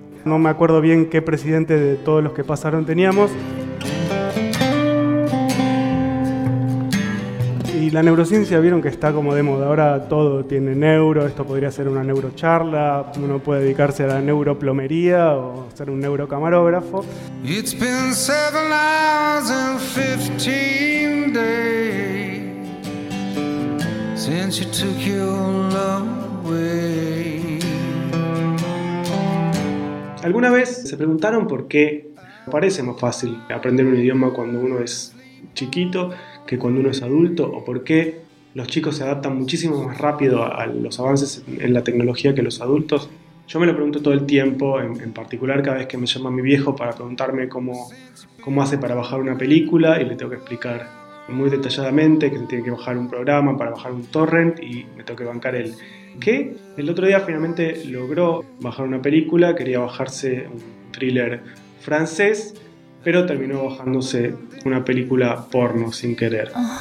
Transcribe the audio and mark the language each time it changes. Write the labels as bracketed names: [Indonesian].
[Spanish] No me acuerdo bien qué presidente de todos los que pasaron teníamos. Y la neurociencia, vieron que está como de moda. Ahora todo tiene neuro, esto podría ser una neurocharla, uno puede dedicarse a la neuroplomería o ser un neurocamarógrafo. [English] It's been 7 hours and 15 days since you took your love away. [Spanish] ¿Alguna vez se preguntaron por qué parece más fácil aprender un idioma cuando uno es chiquito que cuando uno es adulto, o por qué los chicos se adaptan muchísimo más rápido a los avances en la tecnología que los adultos? Yo me lo pregunto todo el tiempo, en particular cada vez que me llama mi viejo para preguntarme cómo hace para bajar una película, y le tengo que explicar muy detalladamente que se tiene que bajar un programa para bajar un torrent, y me tengo que bancar el que el otro día finalmente logró bajar una película, quería bajarse un thriller francés, pero terminó bajándose una película porno sin querer.